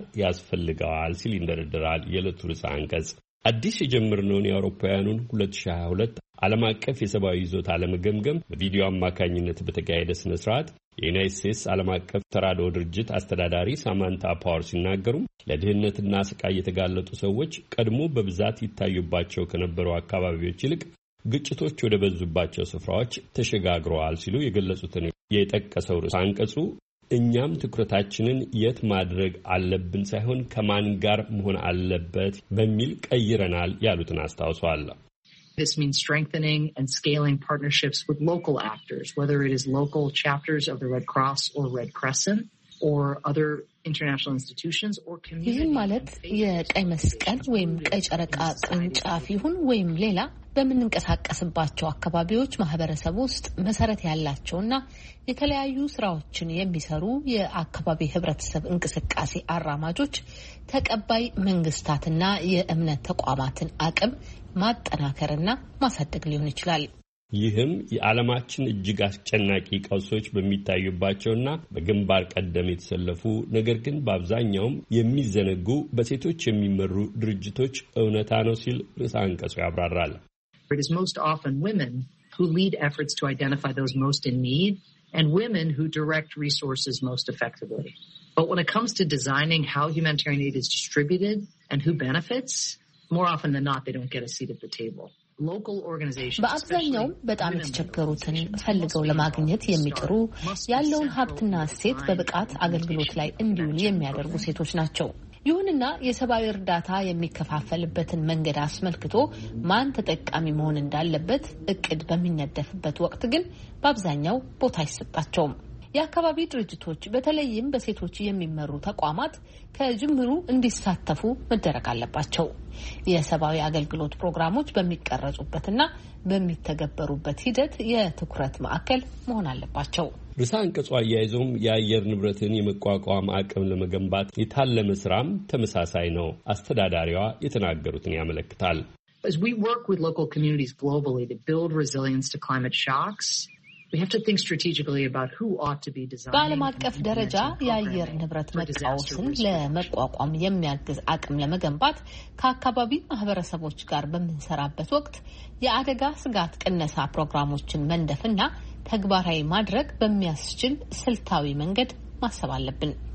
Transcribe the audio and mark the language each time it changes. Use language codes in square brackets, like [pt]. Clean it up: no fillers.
[am] ያስፈልገዋል ሲል ይንደረደራል የዕለቱ ርዕሰ አንቀጽ። አዲስ የጀመርነውን የአውሮፓውያኑን 2022 ዓለም አቀፍ የሰብአዊ ይዞታ ለመገምገም በቪዲዮ አማካኝነት በተካሄደ ስነ ስርዓት የዩናይትድ ስቴትስ ዓለም አቀፍ ተራድኦ ድርጅት አስተዳዳሪ ሳማንታ ፓወር ሲናገሩም ለድህነትና ስቃይ የተጋለጡ ሰዎች ቀድሞ በብዛት ይታዩባቸው ከነበሩ አካባቢዎች ይልቅ ግጭቶች ወደ በዙባቸው ስፍራዎች ተሸጋግረዋል ሲሉ የገለጹትን የጠቀሰው ርዕሰ አንቀጹ እኛም ትኩረታችንን የት ማድረግ አለብን ሳይሆን ከማን ጋር መሆን አለበት በሚል ቀይረናል ያሉትን አስታውሷል። [en] This means strengthening and scaling partnerships with local actors, whether it is local chapters of the Red Cross or Red Crescent or other international institutions or communities. [am] ይህን ማለት የቀይ መስቀል ወይም ቀይ ጨረቃ ቅርንጫፍ ይሁን ወይም ሌላ በምንንቀሳቀስባቸው አካባቢዎች ማህበረሰብ ውስጥ መሰረት ያላቸውና የተለያዩ ስራዎችን የሚሰሩ የአካባቢ ህብረተሰብ እንቅስቃሴ አራማጆች ተቀባይ መንግስታትና የእምነት ተቋማትን አቅም ማጠናከርና ማሳደግ ሊሆን ይችላል። ይህም የዓለማችን እጅግ አስጨናቂ ቀውሶች በሚታዩባቸውና በግንባር ቀደም የተሰለፉ ነገር ግን በአብዛኛውም የሚዘነጉ በሴቶች የሚመሩ ድርጅቶች እውነታ ነው ሲል ርዕሰ አንቀጹ ያብራራል። [en] It is most often women who lead efforts to identify those most in need and women who direct resources most effectively. But when it comes to designing how humanitarian aid is distributed and who benefits, more often than not, they don't get a seat at the table. Local organizations [am] በአብዛኛው በጣም የተቸገሩትን ፈልገው ለማግኘት የሚጥሩ ያለውን ሀብትና ሴት በብቃት አገልግሎት ላይ እንዲውሉ የሚያደርጉ ሴቶች ናቸው። ይሁንና የሰብአዊ እርዳታ የሚከፋፈልበትን መንገድ አስመልክቶ ማን ተጠቃሚ መሆን እንዳለበት እቅድ በሚነደፍበት ወቅት ግን በአብዛኛው ቦታ አይሰጣቸውም። የአካባቢ ድርጅቶች በተለይም በሴቶች የሚመሩ ተቋማት ከጅምሩ እንዲሳተፉ መደረግ አለባቸው። የሰብአዊ አገልግሎት ፕሮግራሞች በሚቀረጹበትና በሚተገበሩበት ሂደት የትኩረት ማዕከል መሆን አለባቸው። ርዕሰ አንቀጹ አያይዞም የአየር ንብረትን የመቋቋም አቅም ለመገንባት የታለመ ስራም ተመሳሳይ ነው አስተዳዳሪዋ የተናገሩትን ያመለክታል። [en] As we work with local communities globally to build resilience to climate shocks, we have to think strategically about who ought to be designing. [am] በዓለም አቀፍ ደረጃ የአየር ንብረት መቃወስን ለመቋቋም የሚያግዝ አቅም ለመገንባት ከአካባቢ ማህበረሰቦች ጋር በምንሰራበት ወቅት የአደጋ ስጋት ቅነሳ ፕሮግራሞችን መንደፍና ተግባራዊ ማድረግ በሚያስችል ስልታዊ መንገድ ማሰብ አለብን።